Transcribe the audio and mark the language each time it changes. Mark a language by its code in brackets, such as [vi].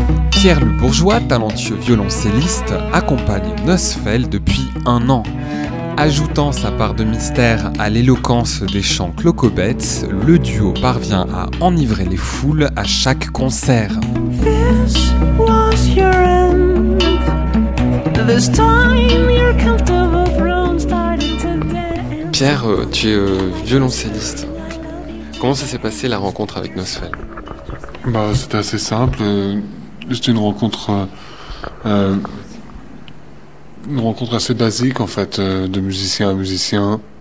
[fr] Pierre le Bourgeois, talentueux violoncelliste, accompagne Nussfeld depuis un an. Ajoutant sa part de mystère à l'éloquence des chants Clocobets, le duo parvient à enivrer les foules à chaque concert. [en] This was your end. This time your comfortable throne started to dance. [fr] Pierre, tu es violoncelliste. Comment ça s'est passé la rencontre avec Nussfeld? Bah, c'était assez simple. C'était une rencontre assez basique, en fait, de musicien à musicien.